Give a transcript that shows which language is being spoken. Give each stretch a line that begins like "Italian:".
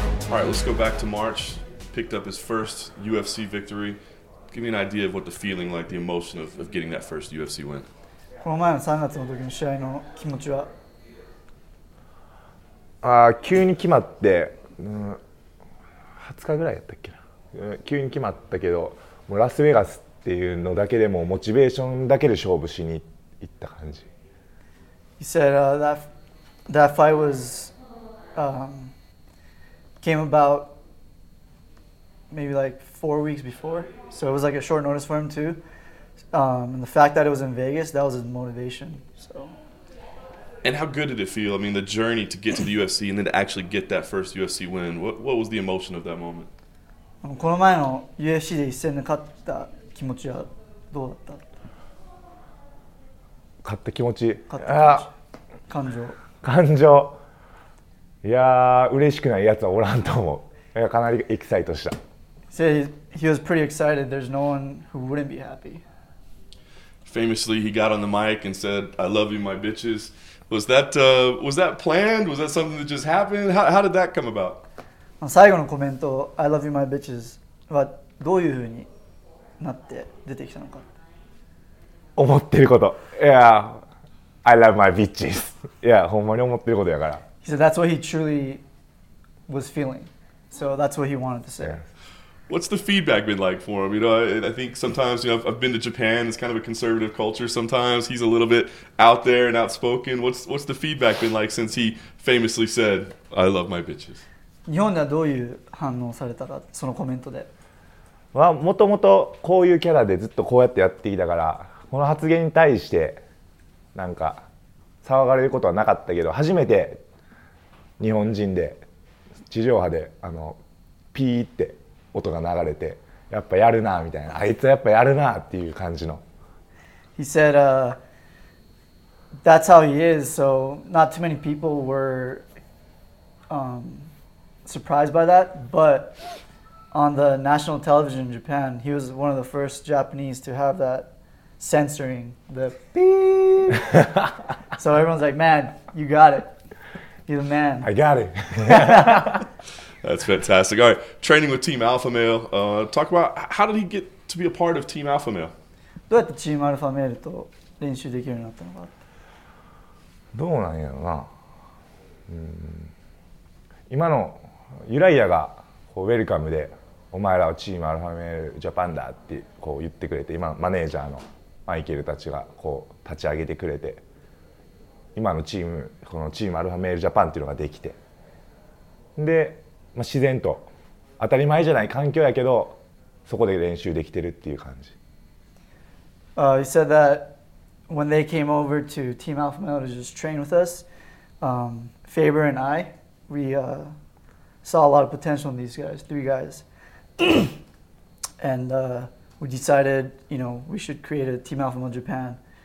English: All right, let's go back to March. Picked up his first UFC victory. Give me an idea of what the feeling, like the emotion of getting that first UFC win.
Japanese: この前の3月の時の試合の気持ちは、急に決まって、20日ぐらいやったっけな。急に決まったけど、もうラスベガスっていうのだけでもモチベーションだけで勝負しに行った感じ。
English: He said that fight was came about maybe like 4 weeks before, so it was like a short notice for him too. And the fact that it was in Vegas, that was his motivation. So. And how good did it feel? I mean, the journey to get to the UFC and then to actually get that first UFC win. What was the emotion of that moment?
Japanese: この前の UFC で一戦で勝った気持ちはどうだった？勝った気持ち。勝った気持ち。感情。感情。いやー、嬉しくないやつはおらんと思う。いや、かなりエキサイトした。
English: So he was pretty excited. There's no one who wouldn't be happy. Famously, he got on the mic and said, "I love you, my bitches." Was that planned? Was that something that just happened? How did that come about?
Japanese: 最後のコメント、
English: I love you, my bitches,
Japanese: はどういうふうになって出てきたのか。思ってること。
English: Yeah, I love my bitches.
Japanese: Yeah, ほんまに思ってることやから。
English: He said that's what he truly was feeling. So that's what he wanted to say. Yeah. What's the feedback been like for him? You know, I think sometimes, you know, I've been to Japan. It's kind of a conservative culture. Sometimes he's a little bit out there and outspoken. What's the feedback been like since he famously said, I love my bitches?
Japanese: 日本ではどういう反応されたか、そのコメントで。まあ、もともとこういうキャラでずっとこうやってやってきたから、この発言に対してなんか騒がれることはなかったけど、初めて日本人で地上波でピーって音が流れて、やっぱやるなみたいな、あいつはやっぱやるなっていう感じの。
English: He said, that's how he is, so not too many people were surprised by that, but on the national television in Japan, he was one of the first Japanese to have that censoring, the beep. So everyone's like, man, you got it. You're the man. I got it. That's fantastic. All right, training with Team Alpha Male. Talk about, how did he get to be a part of Team Alpha Male?
Japanese: どうやってチームアルファメールと練習できるようになったのか。どうなんやろな。今のユライヤがこうウェルカムで、お前らはチームアルファメールジャパンだってこう言ってくれて、今マネージャーのマイケルたちがこう立ち上げてくれて、今のチーム、このチームアルファメールジャパンっていうのができて、で、まあ、自然と当たり前じゃない環境やけど、そこで練習できてるっていう感じ。
English: He said that when they came over to Team Alpha Male to just train with us, Faber and I, we saw a lot of potential in these guys, three guys. And we decided, you know, we should create a Team Alpha Male Japan.